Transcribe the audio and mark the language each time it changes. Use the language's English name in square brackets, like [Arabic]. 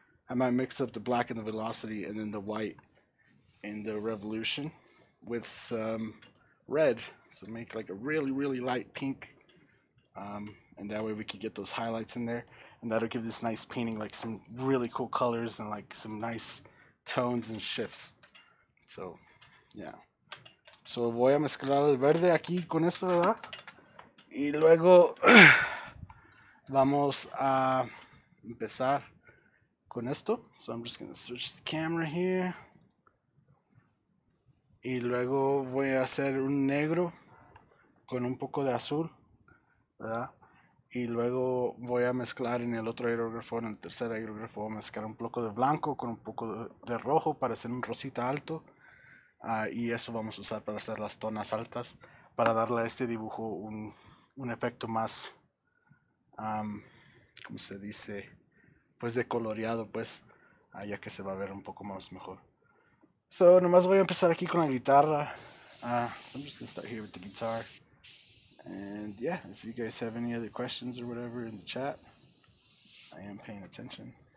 [English] I might mix up the black and the velocity and then the white in the revolution with some red. So make like a really, really light pink. And that way we could get those highlights in there. And that'll give this nice painting like some really cool colors and like some nice tones and shifts. So, yeah. [Spanish] So voy a mezclar el verde aquí con esto, ¿verdad? Y luego vamos a empezar. Esto. [English] So I'm just gonna switch the camera here. [Spanish] Y luego voy a hacer un negro con un poco de azul, ¿verdad? Y luego voy a mezclar en el otro aerógrafo, en el tercer aerógrafo, voy a mezclar un poco de blanco con un poco de rojo para hacer un rosita alto. Y eso vamos a usar para hacer las tonas altas, para darle a este dibujo un efecto más ¿cómo se dice? Pues de coloreado, pues, ya que se va a ver un poco más mejor. So, nomás voy a empezar aquí con la guitarra. [English] I'm just gonna start here with the guitar. And yeah, if you guys have any other questions or whatever in the chat, I am paying attention.